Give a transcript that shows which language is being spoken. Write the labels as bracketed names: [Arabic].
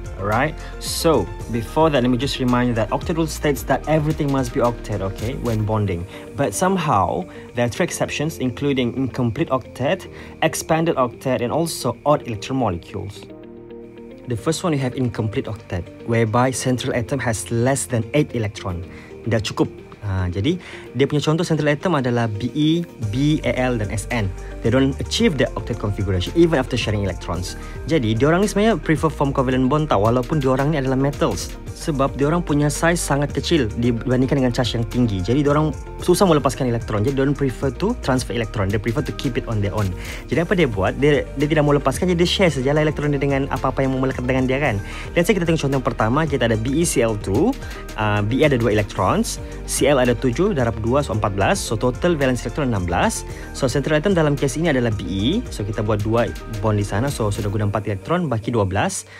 [English] Alright, so before that, let me just remind you that octet rule states that everything must be octet, okay, when bonding. But somehow, there are three exceptions, including incomplete octet, expanded octet, and also odd electron molecules. The first one, you have incomplete octet, whereby central atom has less than 8 electron. [Malay] Dah cukup. Jadi, dia punya contoh central atom adalah Be, B, Al dan Sn. [English] They don't achieve the octet configuration even after sharing electrons. [Malay] Jadi, diorang ni sebenarnya [English] prefer form covalent bond [Malay] tau, walaupun diorang ni adalah metals. Sebab diorang punya size sangat kecil dibandingkan dengan charge yang tinggi. Jadi, diorang susah melepaskan elektron. Jadi, diorang [English] prefer to transfer electron. They prefer to keep it on their own. [Malay] Jadi, apa dia buat? Dia tidak mau lepaskan, jadi dia share sajalah elektron dia dengan apa-apa yang melekat dengan dia kan. [English] Let's say [Malay] kita tengok contoh yang pertama. Kita ada BeCl2, Be ada 2 electrons, Cl ada 7, darab 2, so 14. [English] So, total valence electron 16. [Malay] So, central atom dalam case ini adalah Be. So, kita buat 2 bond di sana. So, sudah guna 4 elektron, baki 12.